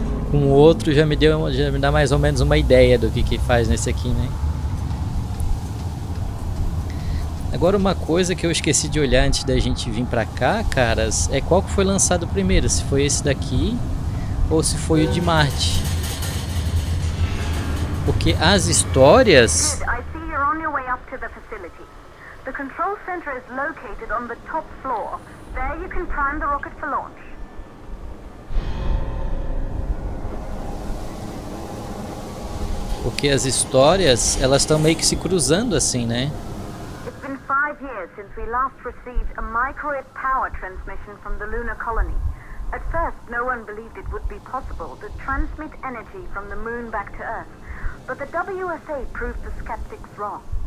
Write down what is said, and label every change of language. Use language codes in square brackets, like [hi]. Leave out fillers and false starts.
[pt] Com o outro já me dá mais ou menos uma ideia do que faz nesse aqui, né? Agora uma coisa que eu esqueci de olhar antes da gente vir pra cá, caras, é qual que foi lançado primeiro, se foi esse daqui ou se foi o de Marte. Porque as histórias... [en] Good, I see you're on your way up to the facility. The control center is located on the top floor. There you can prime the rocket for launch. [pt] Porque as histórias, elas estão meio que se cruzando assim, né? [en] It's been 5 years since we last received a microwave power transmission from the lunar colony. At first, no one believed it would be possible to transmit energy from the moon back to Earth. But the WSA proved the skeptics wrong.